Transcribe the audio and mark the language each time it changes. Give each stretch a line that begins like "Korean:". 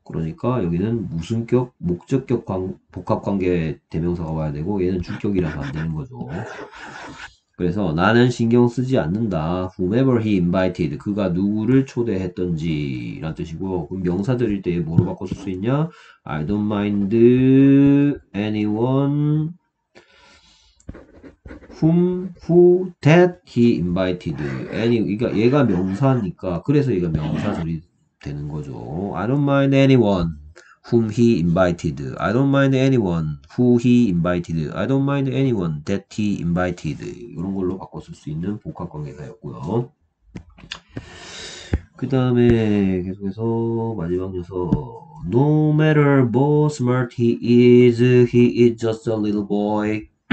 Korean: 그러니까 여기는 무슨격, 목적격 복합관계 대명사가 와야 되고 얘는 주격이라서 안 되는 거죠. 그래서 나는 신경 쓰지 않는다.
English: Whomever he invited.
Korean: 그가 누구를 초대했던지. 라는 뜻이고. 그럼 명사들일 때 뭐로 바꿔 쓸수 있냐?
English: I don't mind anyone who that he invited.
Korean: Any, 그러니까 얘가 명사니까. 그래서 얘가 명사들이 되는 거죠.
English: I don't mind anyone whom he invited. I don't mind anyone who he invited. I don't mind anyone that he invited.
Korean: 이런 걸로 바꿔 쓸수 있는 복합관계사였고요. 그 다음에 계속해서 마지막 요소.
English: No matter how smart he is just a little boy.